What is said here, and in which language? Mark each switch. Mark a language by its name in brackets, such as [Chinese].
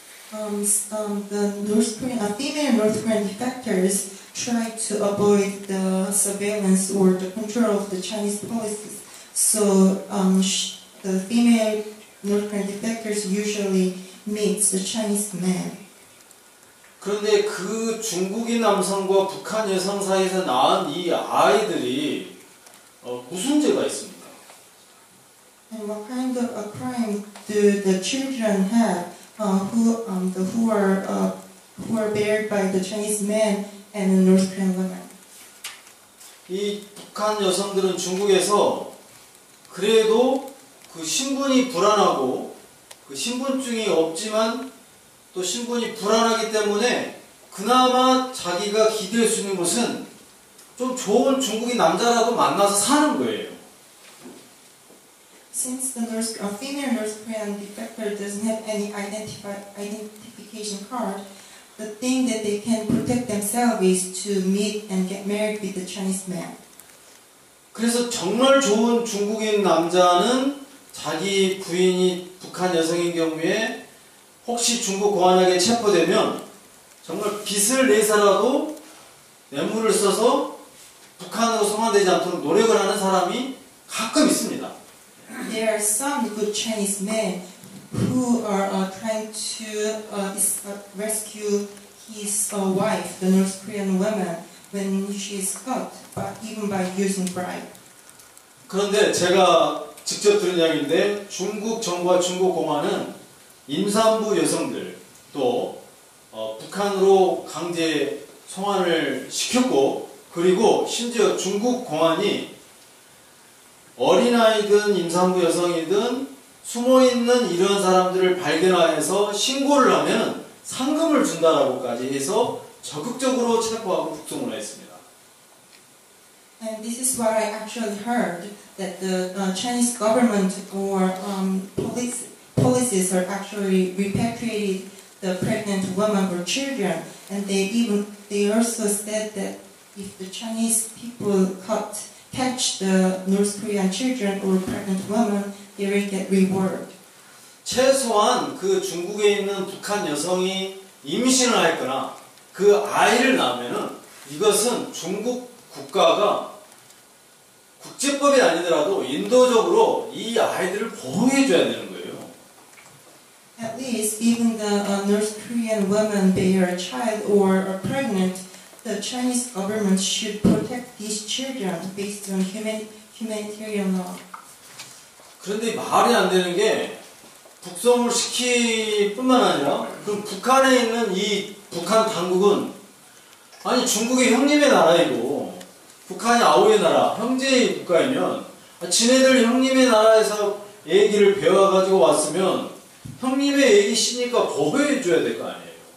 [English] The North Korean, female North Korean defectors try to avoid the surveillance or the control of the Chinese policies. So the female North Korean defectors usually meet the Chinese man. [Korean] 그런데 그 중국인 남성과 북한 여성 사이에서 낳은 이 아이들이 무슨 죄가 있습니까? [English] And what kind of a crime do the children have who are bared by the Chinese man and the North Korean woman? [Korean] 이 북한 여성들은 중국에서 그래도 그 신분이 불안하고 그 신분증이 없지만 또 신분이 불안하기 때문에 그나마 자기가 기댈 수 있는 것은 좀 좋은 중국인 남자라도 만나서 사는 거예요. [English] Since the nurse, a female North Korean defector doesn't have any identification card, the thing that they can protect themselves is to meet and get married with the Chinese man. [Korean] 그래서 정말 좋은 중국인 남자는 자기 부인이 북한 여성인 경우에 혹시 중국 공안하게 체포되면 정말 빚을 내서라도 뇌물을 써서 북한으로 송환되지 않도록 노력을 하는 사람이 가끔 있습니다. [English] There are some good Chinese men who are trying to rescue his wife, the North Korean woman, when she is caught, but even by using bribe. [Korean] 그런데 제가 직접 들은 이야기인데 중국 정부와 중국 공안은 임산부 여성들 또 북한으로 강제 송환을 시켰고 그리고 심지어 중국 공안이 어린아이든 임산부 여성이든 숨어있는 이런 사람들을 발견하여서 신고를 하면 상금을 준다라고까지 해서 적극적으로 체포하고 북송을 했습니다. [English] And this is what I actually heard, that the Chinese government or policies are actually repatriating the pregnant women or children And they also said that if the Chinese people catch the North Korean children or pregnant women, they will get reward. [Korean] 최소한 그 중국에 있는 북한 여성이 임신을 했거나 그 아이를 낳으면은 이것은 중국 국가가 국제법이 아니더라도 인도적으로 이 아이들을 보호해 줘야 되는 거예요. [English] At least even the North Korean woman bear a child or are pregnant, the Chinese government should protect these children based on humanitarian law. [Korean] 그런데 말이 안 되는 게 북송을 시킬 뿐만 아니라 그럼 북한에 있는 이 북한 당국은 아니 중국의 형님의 나라이고 북한이 아우의 나라, 형제의 국가이면 지네들 형님의 나라에서 애기를 배워가지고 왔으면 형님의 애기시니까 보호해줘야 될 거 아니에요.